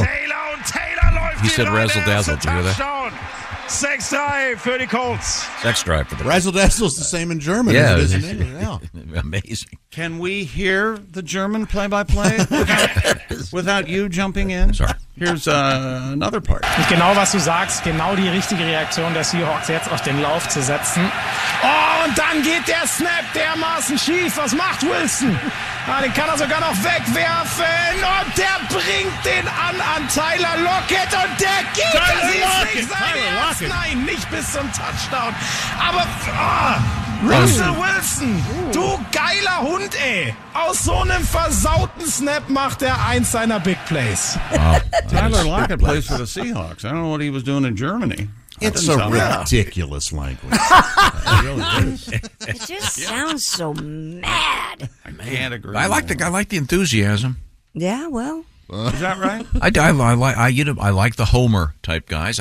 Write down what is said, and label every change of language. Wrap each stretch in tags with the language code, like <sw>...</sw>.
<de>Und Taylor läuft.</de> <en>He said razzle-dazzle. Did you hear that? 6-3 for the Colts. 6-3 for the Colts. Razzle-dazzle is the same in German as it is in English. Yeah. Amazing. Can we hear the German play-by-play without you jumping in? Sorry. Here's another part.</en> <de>Genau was du sagst, genau die richtige Reaktion der Seahawks jetzt auf den Lauf zu setzen. Oh, und dann geht der Snap dermaßen schief. Was macht Wilson? Ah, den kann er sogar noch wegwerfen. Und der bringt den an Tyler Lockett. Und der geht, Tyler das Lockett, ist nicht sein Tyler Erst. Lockett. Nein, nicht bis zum Touchdown. Aber Russell Wilson, du geiler Hund, ey. Aus so einem versauten Snap macht er eins seiner Big Plays.</de> <en>Wow. Tyler Lockett plays for the Seahawks. I don't know what he was doing in Germany. It's a ridiculous language. It just sounds so mad. I can't agree. I like the enthusiasm. Yeah, well. Is that right? I like the Homer type guys.</en>